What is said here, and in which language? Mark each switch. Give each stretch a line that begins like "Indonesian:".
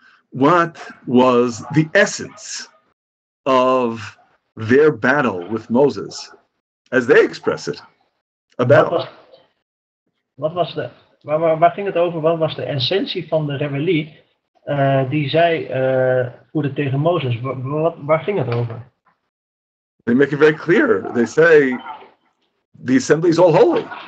English: What was the essence of their battle with Moses? As they express it, a battle.
Dutch: Waar ging het over? Wat was de essentie van de rebellie die zij voerden tegen Mozes? Waar ging het over?
English: They make it very clear. They say, the assembly is all holy.